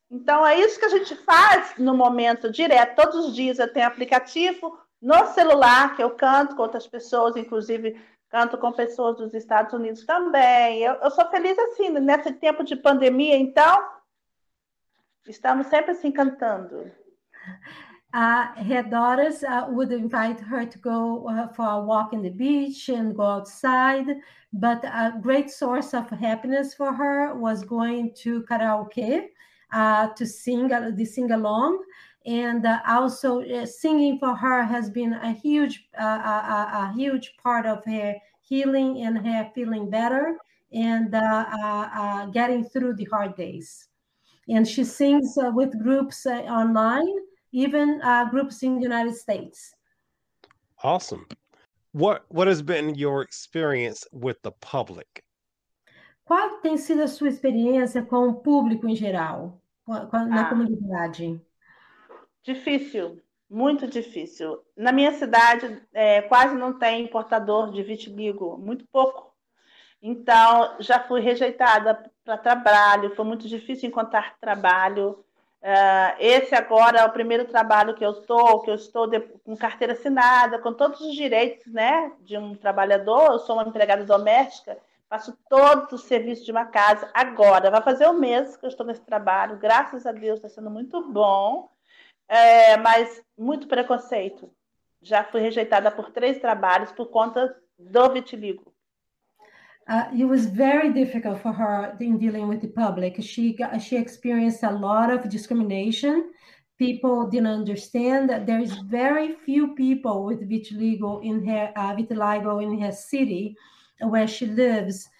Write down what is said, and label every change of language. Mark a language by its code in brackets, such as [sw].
[pt] Então é isso que a gente faz no momento direto, todos os dias eu tenho aplicativo no celular que eu canto com outras pessoas, inclusive. Canto com pessoas dos Estados Unidos também. Eu sou feliz assim, nesse tempo de pandemia, então, estamos sempre assim cantando. [en] Her daughters would invite her to go for a walk on the beach and go outside, but a great source of happiness for her was going to karaoke to sing the sing along, and also singing for her has been a huge part of her healing and her feeling better and getting through the hard days. And she sings with groups online. Even groups in the United States. Awesome. What has been your experience with the public? [pt] Qual tem sido a sua experiência com o público em geral, na Ah, comunidade? difícil, muito difícil. Na minha cidade, quase não tem portador de vitiligo, muito pouco. Então, já fui rejeitada para trabalho, foi muito difícil encontrar trabalho. Esse agora é o primeiro trabalho que eu estou com carteira assinada, com todos os direitos, né, de um trabalhador. Eu sou uma empregada doméstica, faço todos os serviços de uma casa agora. Vai fazer um mês que eu estou nesse trabalho, graças a Deus, está sendo muito bom. Mas muito preconceito. Já fui rejeitada por três trabalhos por conta do vitiligo. [en] It was very difficult for her in dealing with the public. She experienced a lot of discrimination. People didn't understand that there is very few people with vitiligo in her city where she lives.